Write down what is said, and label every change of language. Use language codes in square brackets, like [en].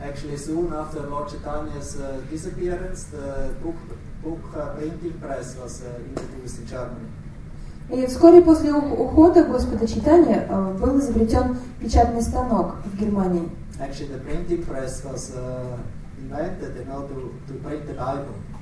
[en] Actually, soon after Lord Chaitanya's disappearance, the book printing press was introduced in Germany. [ru] И вскоре после ухода Господа Чайтанья был изобретен печатный станок в Германии. [en] Actually, the printing press was invented in order to print the Bible.